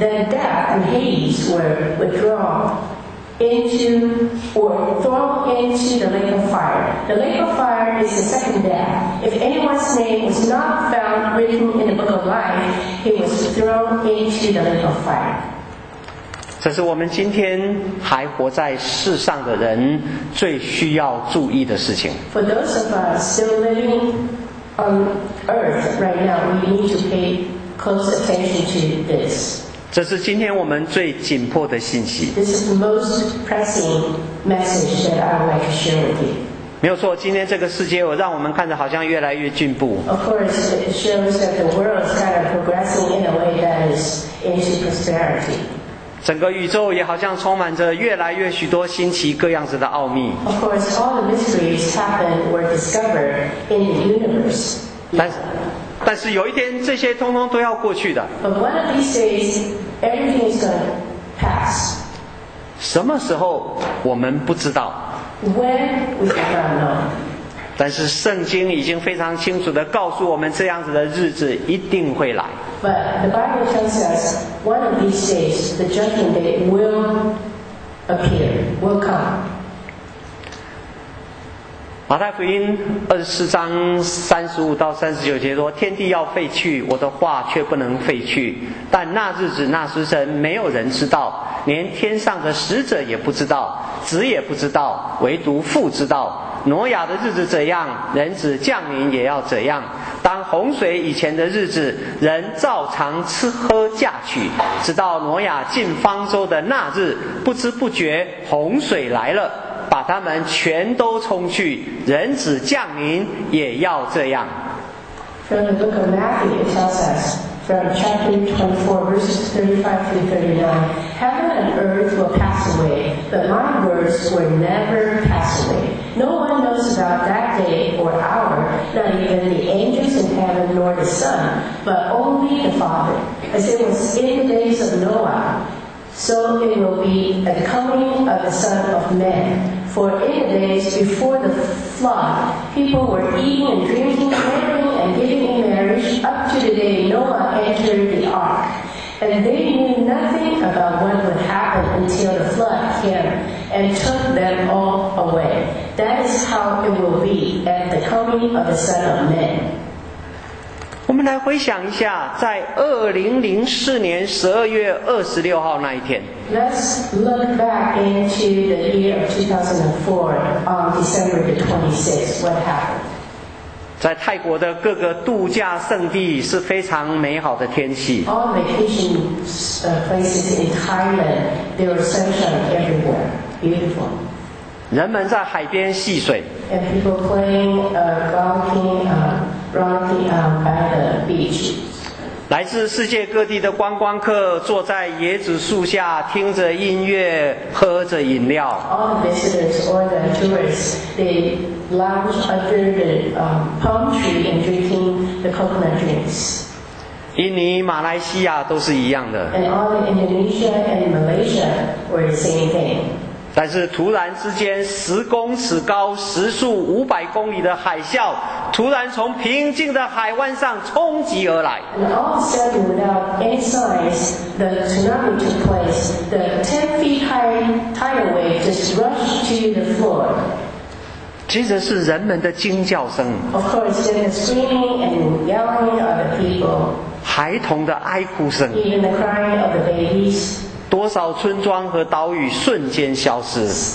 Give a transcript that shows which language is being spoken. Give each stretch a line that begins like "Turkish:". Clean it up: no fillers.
English: Then death and Hades were withdrawn into, or thrown into the lake of fire. The lake of fire is the second death. If anyone's name was not found written in the book of life, he was thrown into the lake of fire.
Chinese: 这是我们今天还活在世上的人最需要注意的事情。
English: For those of us still living on earth right now, we need to pay close attention to this.
Chinese: 这是今天我们最紧迫的信息。
English: This is the most pressing message that I would like to share with you.
Chinese: 没有错，今天这个世界，我让我们看着好像越来越进步。
English: Of course, it shows that the world is kind of progressing in a way that is into prosperity.
Chinese: 整个宇宙也好像充满着越来越许多新奇各样子的奥秘。
English: Of course, all the mysteries happened were discovered in the universe.
Chinese: 但是有一天，这些通通都要过去的。
English: But one of these days, everything is going to pass.
Chinese: 什么时候我们不知道。
English: When we don't know.
Chinese: 但是圣经已经非常清楚地告诉我们，这样子的日子一定会来。
English: But the Bible tells us one of these days the judgment day will appear, will come.
Chinese: 马太福音二十四章三十五到三十九节说：“天地要废去，我的话却不能废去。但那日子、那时辰，没有人知道，连天上的使者也不知道，子也不知道，唯独父知道。” 挪亚的日子怎样，人子降临也要怎样。当洪水以前的日子，人照常吃喝嫁娶，直到挪亚进方舟的那日，不知不觉洪水来了，把他们全都冲去。人子降临也要这样。
English: From the book of Matthew, it tells us, from chapter 24, verses 35 to 39, heaven and earth will pass away, but my words will never pass away. No one knows about that day or hour, not even the angels in heaven nor the Son, but only the Father. As it was in the days of Noah, so it will be at the coming of the Son of Man. For in the days before the flood, people were eating and drinking, marrying and giving in marriage, up to the day Noah entered the ark. And they knew nothing about what would happen until the flood came and took them all away. That is how it will be at the coming of the Son of Man.
Chinese: 我们来回想一下，在2004年12月26号那一天。
English: Let's look back into the year of 2004 on December the 26th. What happened?
Chinese: 在泰国的各个度假胜地是非常美好的天气。
English: All vacation places in Thailand, there are sunshine everywhere. Beautiful.
Chinese: 人们在海边戏水。
English: And people playing, rocking by the beach.
Chinese: 来自世界各地的观光客坐在椰子树下，听着音乐，喝着饮料。
English: All the visitors or the tourists, they lounge under the palm tree and drinking the coconut drinks.
Chinese: 印尼、马来西亚都是一样的。
English: And all the Indonesia and Malaysia were the same thing.
Chinese: 但是突然之间，十公尺高、时速500公里的海啸，突然从平静的海湾上冲击而来。
English: And all of a sudden, without any signs, the tsunami took place. The 10 feet high tidal wave just rushed to the floor.
Chinese: 接着是人们的惊叫声。
English: Of course, then the screaming and yelling of the people.
Chinese: 孩童的哀哭声。
English: Even the crying of the babies.
Chinese: 多少村庄和岛屿瞬间消失。